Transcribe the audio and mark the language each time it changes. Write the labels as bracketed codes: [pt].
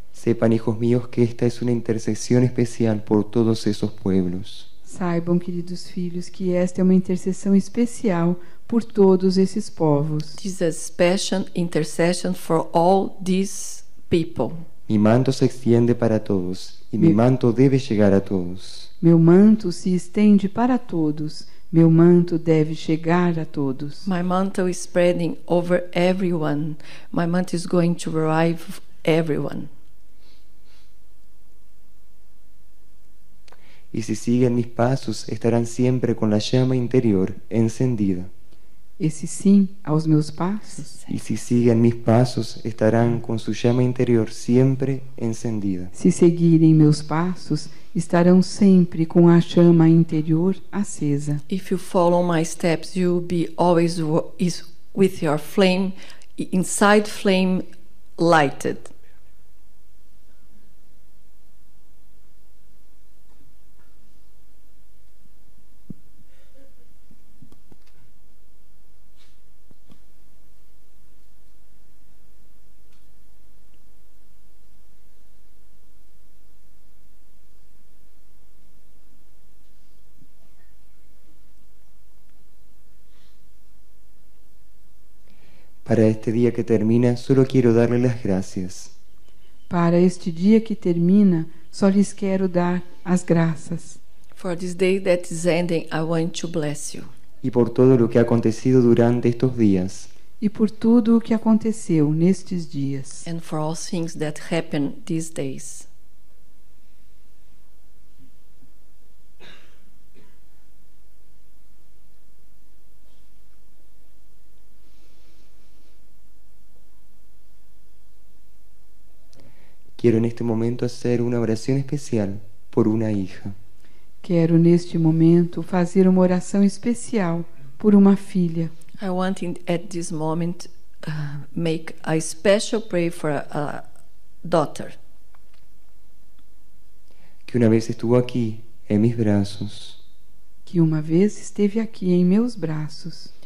[es] Sepan, hijos míos, que esta es una intercesión especial por todos esos pueblos. [pt] Saibam, queridos filhos, que esta é uma intercessão especial por todos esses povos. [en] This is a special intercession for all these people. [es] Mi manto se extiende para todos y mi manto debe llegar a todos. [pt] Meu manto se estende para todos. Meu manto deve chegar a todos. [en] My mantle is spreading over everyone. My mantle is going to arrive everyone. [es] Y si siguen mis pasos, estarán siempre con la llama interior encendida. [pt] E se sim aos meus passos? [es] Y si siguen mis pasos, estarán con su llama interior siempre encendida. [pt] Se seguirem meus passos, estarão sempre com a chama interior acesa. [en] If you follow my steps, you will be always with your flame, inside flame lighted. [es] Para este día que termina, solo quiero darle las gracias. [pt] Para este día que termina, só lhes quero dar as graças. [en] For this day that is ending, I want to bless you. [es] Y por todo lo que ha acontecido durante estos días. [pt] E por tudo o que aconteceu nestes dias. [en] And for all things that happen these days. [es] Quiero en este momento hacer una oración especial por una hija. [pt] Quero neste momento fazer uma oração especial por uma filha. [en] I want at this moment make a special prayer for a daughter. [es] Que una vez estuvo aquí en mis brazos. [pt] Que uma vez esteve aqui em meus braços.